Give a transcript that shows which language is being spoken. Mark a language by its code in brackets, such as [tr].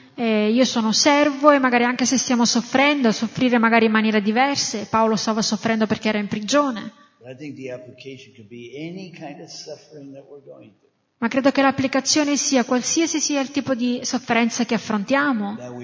[it] E io sono servo e magari anche se stiamo soffrendo, soffrire magari in maniera diverse. Paolo stava soffrendo perché era in prigione. [en] But I think the application could be any kind of suffering that we're going through. [it] Ma credo che l'applicazione sia qualsiasi sia il tipo di sofferenza che affrontiamo.